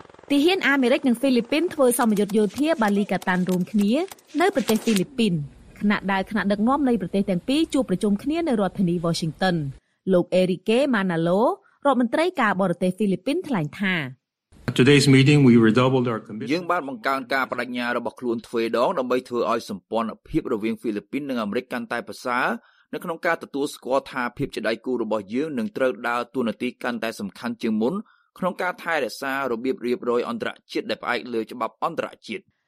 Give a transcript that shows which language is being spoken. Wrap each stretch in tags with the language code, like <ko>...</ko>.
<km>ទីហ៊ានអាមេរិកនិងហ្វីលីពីនធ្វើសមយុទ្ធយោធាបាលីកាតានរួមគ្នានៅប្រទេសហ្វីលីពីនខណៈដែលថ្នាក់ដឹកនាំនៃប្រទេសទាំងពីរជួបប្រជុំគ្នានៅរដ្ឋធានី Washington លោកអេរីកេម៉ាណាឡូរដ្ឋមន្ត្រីការបរទេសហ្វីលីពីនថ្លែងថា</km> <en>Today's meeting we redoubled our commitment</en> <km>យើងបានបង្កើនការប្តេជ្ញារបស់ខ្លួនទ្វេដងដើម្បីធ្វើឲ្យសម្ព័ន្ធភាពរវាងហ្វីលីពីននិងអាមេរិកកាន់តែប្រសើរនៅក្នុងការទទួលស្គាល់ថាភាពជាដៃគូរបស់យើងនឹងត្រូវដើរតួនាទីកាន់តែសំខាន់ជាងមុនក្នុងការថែរក្សារបៀបរៀបរយអន្តរជាតិដែលផ្អែកលើច្បាប់អន្តរជាតិ</km>